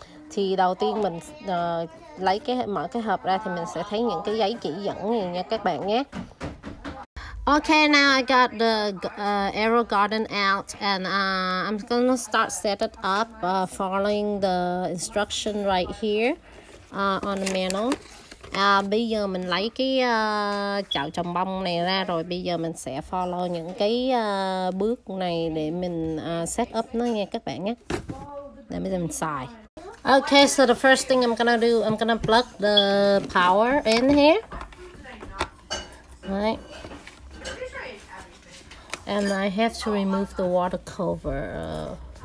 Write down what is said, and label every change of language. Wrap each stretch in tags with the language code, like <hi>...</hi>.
<vi>Thì đầu tiên mình mở cái hộp ra thì mình sẽ thấy những cái giấy chỉ dẫn này nha các bạn nhé.</vi> <en>Okay, now I got the aero garden out, and I'm gonna start set it up following the instruction right here on the manual.</en> <vi>À, bây giờ mình lấy cái chậu trồng bông này ra, rồi bây giờ mình sẽ follow những cái bước này để mình set up nó nha các bạn nhé. Để bây giờ mình xài.</vi> <en>Okay, so the first thing I'm gonna do, I'm gonna plug the power in here. Right. And I have to remove the water cover.</en>